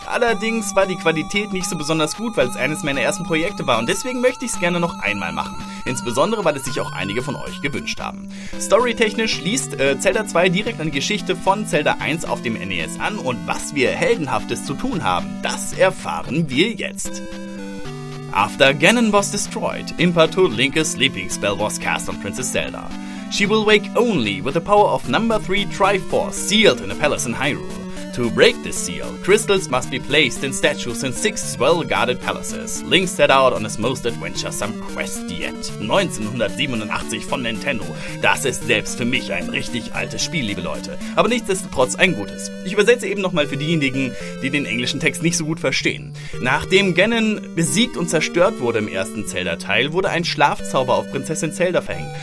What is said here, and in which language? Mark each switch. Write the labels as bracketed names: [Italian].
[German] Allerdings war die Qualität nicht so besonders gut, weil es eines meiner ersten Projekte war. Und deswegen möchte ich es gerne noch einmal machen. Insbesondere, weil es sich auch einige von euch gewünscht haben. Storytechnisch schließt Zelda 2 direkt an die Geschichte von Zelda 1 auf dem NES an. Und was wir Heldenhaftes zu tun haben, das erfahren wir jetzt. [English] After Ganon was destroyed, Impatud Link's sleeping spell was cast on Princess Zelda. She will wake only with the power of number 3 Triforce sealed in a palace in Hyrule. To break this seal, crystals must be placed in statues in 6 well-guarded palaces. Link set out on his most adventuresome quest yet. [German] 1987 von Nintendo. Das ist selbst für mich ein richtig altes Spiel, liebe Leute. Aber nichtsdestotrotz ein gutes. Ich übersetze eben nochmal für diejenigen, die den englischen Text nicht so gut verstehen. Nachdem Ganon besiegt und zerstört wurde im ersten Zelda-Teil, wurde ein Schlafzauber auf Prinzessin Zelda verhängt.